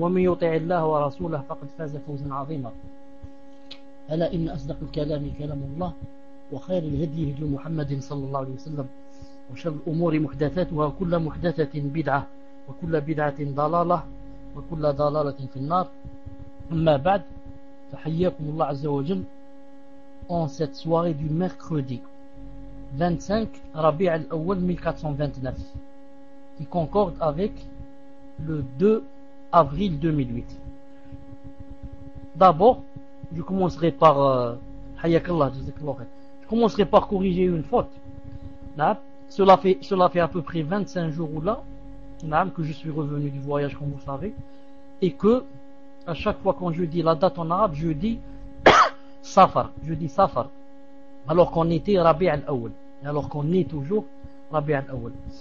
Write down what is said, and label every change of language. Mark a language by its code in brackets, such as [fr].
[ar] ومن يطع الله ورسوله فقد فاز فوزا عظيما. ألا إن أصدق الكلام كلام الله وخير الهدي هدي محمد صلى الله عليه وسلم. وشر الأمور محدثاتها وكل محدثة بدعة وكل بدعة ضلالة وكل ضلالة في النار. أما بعد, فحياكم الله عز وجل [fr] en cette soirée du mercredi 25 ربيع الأول 1429 qui concorde avec le 2 avril 2008. D'abord, je commencerai par [ar] حياك الله جزاك الله خير. [fr] Je commencerai par corriger une faute. Cela fait à peu près 25 jours ou là que je suis revenu du voyage, comme vous savez, et que à chaque fois quand je dis la date en arabe, je dis Safar, je dis Safar, alors qu'on était Rabi' al-Awwal, alors qu'on est toujours Rabi' al-Awwal.